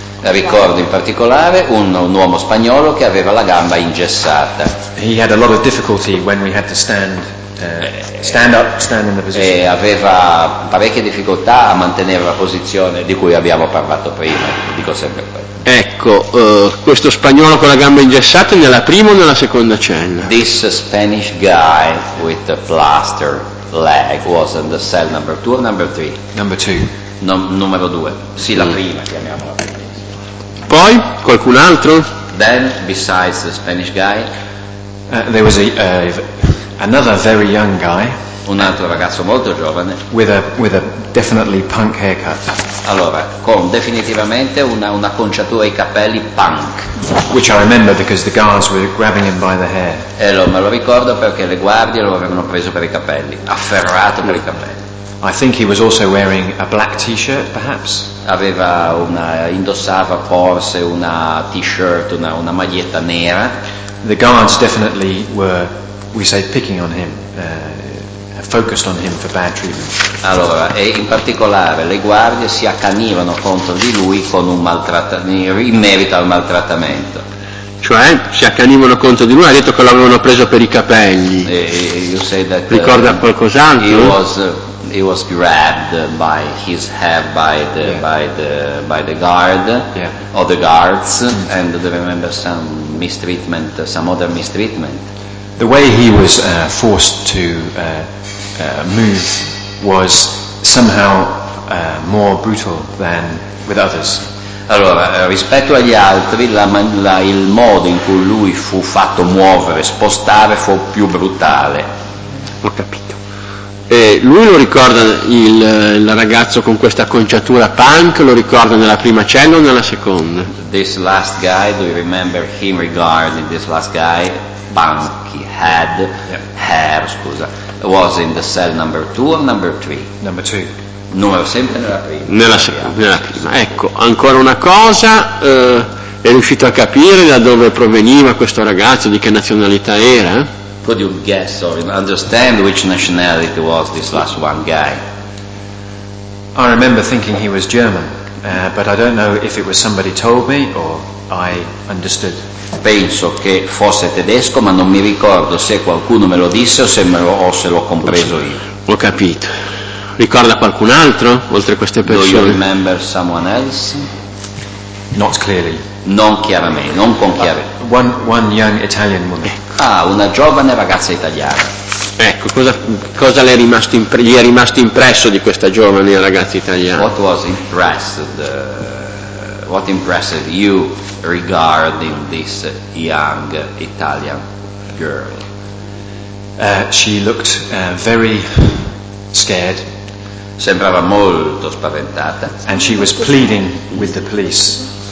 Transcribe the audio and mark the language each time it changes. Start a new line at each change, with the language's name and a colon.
Italian: Ricordo in particolare un uomo spagnolo che aveva la gamba ingessata.
English: He had a lot of difficulty when we had to stand in the position.
Italian: E aveva parecchie difficoltà a mantenere la posizione di cui abbiamo parlato prima, dico sempre quello. Ecco, questo spagnolo con la gamba ingessata nella prima o nella seconda cella?
English: This Spanish guy with the plaster leg was in the cell number 2 or number 3? Number 2.
Italian: No, numero 2. Sì, la prima, chiamiamola. Poi, qualcun altro?
English: Then, besides the Spanish guy? There was another very young guy.
Italian: Un altro ragazzo molto giovane.
English: With a definitely punk haircut.
Italian: Allora, con definitivamente una conciatura ai capelli punk.
English: Which I remember because the guards were grabbing him by the hair.
Italian: Allora, me lo ricordo perché le guardie lo avevano preso per i capelli, afferrato per i capelli.
English: I think he was also wearing a black t-shirt, perhaps.
Italian: Indossava forse una t-shirt, una maglietta nera.
English: The guards definitely were, we say, picking on him. Focused on him for bad treatment.
Italian: Allora, e in particolare le guardie si accanivano contro di lui con un maltrattamento in merito al maltrattamento. Cioè, si accanivano contro di lui, ha detto che l'avevano preso per i capelli.
English: You say that,
Italian: ricorda qualcos'altro?
English: He was grabbed by his hair by the guard or the guards and they remember some other mistreatment. The way he was forced to move was somehow more brutal than with others.
Italian: Allora, rispetto agli altri, il modo in cui lui fu fatto muovere, spostare, fu più brutale. Ho capito. Lui lo ricorda il ragazzo con questa acconciatura punk, lo ricorda nella prima cella o nella seconda?
English: This last guy, do you remember him regarding this last guy? Punky head, hair,
Italian: scusa,
English: was in the cell number 2 or number 3? Number 2.
Italian: Numero sempre nella prima. Nella prima. Ecco, ancora una cosa, è riuscito a capire da dove proveniva questo ragazzo, di che nazionalità era?
English: Could you guess or understand which nationality was this last one guy? I remember thinking he was German. But I don't know if it was somebody told me or I understood.
Italian: Penso che fosse tedesco, ma non mi ricordo se qualcuno me lo disse o se me lo, o se l'ho compreso io. Ho capito. Ricorda qualcun altro oltre queste persone?
English: Do you remember someone else? Not clearly.
Italian: Non chiaramente, non con chiarezza.
English: One young Italian woman.
Italian: Ecco. Ah, una giovane ragazza italiana. Ecco, cosa le è rimasto gli è rimasto impresso di questa giovane ragazza italiana?
English: What was impressed? What impressed you regarding this young Italian girl? She looked very scared.
Italian: Sembrava molto spaventata.
English: And she was pleading with the police.